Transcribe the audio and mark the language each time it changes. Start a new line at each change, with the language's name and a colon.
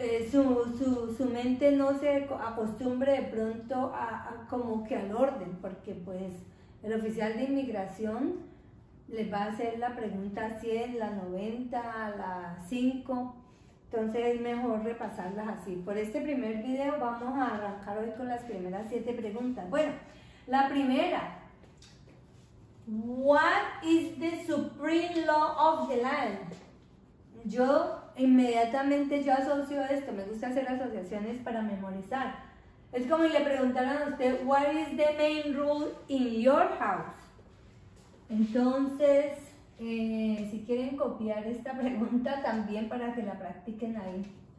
Spanish: su mente no se acostumbre de pronto a como que al orden, porque pues el oficial de inmigración les va a hacer la pregunta 100, la 90, la 5, entonces es mejor repasarlas así. Por este primer video vamos a arrancar hoy con las primeras 7 preguntas. Bueno, la primera:
English: What is the supreme law of the land?
Spanish: Yo inmediatamente yo asocio esto, me gusta hacer asociaciones para memorizar. Es como si le preguntaran a usted,
English: what is the main rule in your house?
Spanish: Entonces, si quieren copiar esta pregunta también para que la practiquen ahí.